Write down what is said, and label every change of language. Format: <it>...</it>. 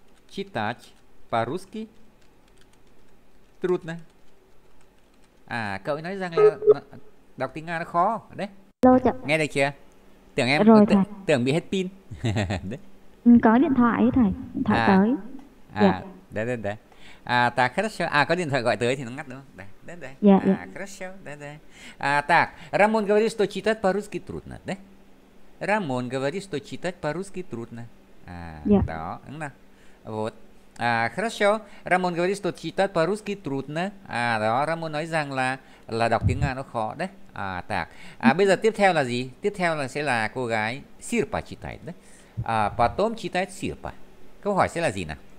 <ru>Читать по-русски трудно.</ru> <vi>À, cậu ấy nói rằng là đọc tiếng Nga nó khó. Đấy. Nghe được chưa? Tưởng em rồi thầy. tưởng bị hết pin. Đấy. Có điện thoại ấy, thầy, điện thoại À. tới. À, đây đây đây. À, ta khách à có điện thoại gọi tới thì nó ngắt đúng không? Đây, đây đây. À, khách đây đây.</vi> <ru>À, tạc, Ramon говорит, что читать по-русски трудно.</ru> <vi>Đấy.</vi> <ru>Ramon говорит, что читать по-русски трудно.</ru> <vi>À, đó, đúng nào. Вот. À, хорошо.</vi> <ru>Ramon говорит, что читать по-русски трудно.</ru> <vi>À, đó, Ramon nói rằng là đọc tiếng Nga nó khó đấy. À, tạc. À, bây giờ tiếp theo là gì? Tiếp theo là sẽ là cô gái Sirpa читает đấy. À,</vi> <ru>потом читает Sirpa.</ru> <vi>Câu hỏi sẽ là gì nào?</vi>